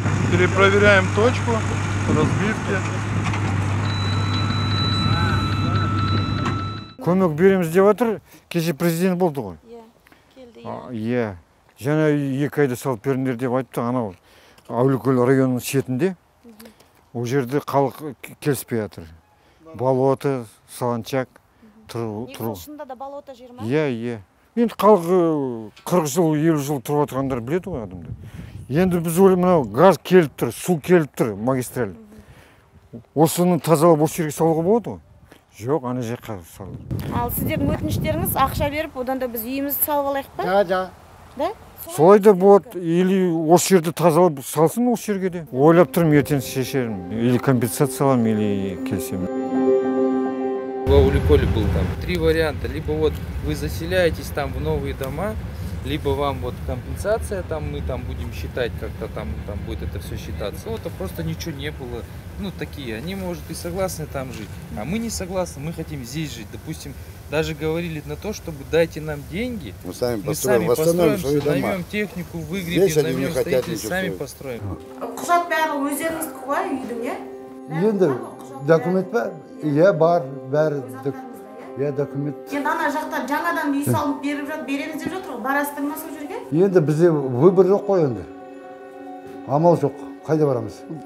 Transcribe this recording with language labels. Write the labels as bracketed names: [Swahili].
[Russian] Перепроверяем точку разбивки. [Kazakh] Көмек берем деватыр, кезе президент болды ғой. Жаңа екі айда салып беріңдер деп айтты, Әуелкөл районының шетінде. Ол жерде халық келіспей жатыр. Болото, саланчақ, тұр. Ол шында да болото жер ма? Енді халық 40 жыл, 50 жыл тұрып отырғандар біледі ғой адамды. Енді біз ойлаймыз, газ келіп тұр, су келіп тұр, магистраль. Осыны тазалап осы жерге салуға болады ғой. Жоқ, ана жаққа салды. Ал сіздердің өтініштеріңіз ақша беріп, одан да біз үйімізді салып алайық па? [Russian] Да, да. Да? [Kazakh] Солай да болады. Или осы жерді тазалап салсын осы жерге де. Ойлап тұрмын, ертең шешерім. Или компенсация аламын, или келісемін. [Russian] В Оликоле был там 3 варианта. Либо вы заселяетесь там в новые дома, либо вам компенсация там, мы там будем считать, как-то там будет это все считаться. Просто ничего не было. Такие, они, может, и согласны там жить, а мы не согласны, мы хотим здесь жить. Допустим, даже говорили на то, чтобы дайте нам деньги, мы сами построим, восстановим свои дома. Наймем технику, выгребем, наймем строителей, сами построим. [Kazakh] Құжат бәрі өздеріңіздікі ғой, үйдің, иә? Енді документ пе? Иә, бар, бәрі. Иә, документ. Енді ана жақта жаңадан үй салып беріп жатыр, береміз деп жатыр ғой, барасыздар ма сол жерге? Енді бізде выбор жоқ қой енді. Амал жоқ. Қайда барамыз?